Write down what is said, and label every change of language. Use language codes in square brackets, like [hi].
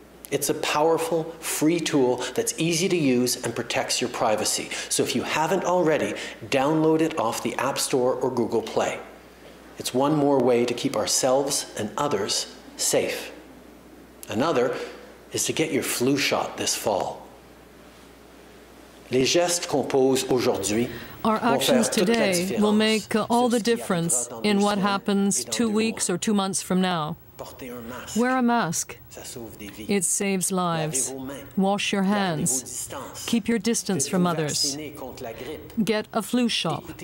[en] It's a powerful, free tool that's easy to use and protects your privacy. So if you haven't already, download it off the App Store or Google Play. It's one more way to keep ourselves and others safe. Another is to get your flu shot this fall. [fr] Les gestes qu'on pose aujourd'hui, [en] our actions today will make all the difference in what happens 2 weeks or 2 months from now. Wear a mask. It saves lives. Wash your hands. Keep your distance from others. Get a flu shot.